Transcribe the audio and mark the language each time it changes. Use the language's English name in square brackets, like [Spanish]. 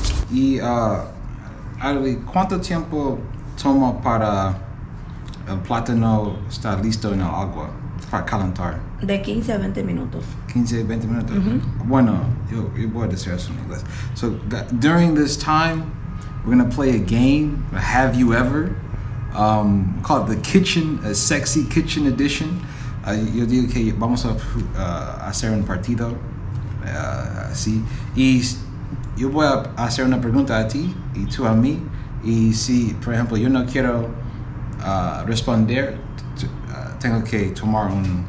[Spanish] Y Aderly, ¿cuánto tiempo toma para el plátano estar listo en el agua para calentar? De 15 a 20 minutos. 15 a 20 minutos. Mm-hmm. Bueno, yo voy a decir eso en inglés. [English] So during this time, we're going to play a game, Have You Ever, called the Kitchen, a Sexy Kitchen Edition. [Spanish] Yo digo que vamos a hacer un partido, así. Y yo voy a hacer una pregunta a ti y tú a mí. Y si, por ejemplo, yo no quiero responder, tengo que tomar un...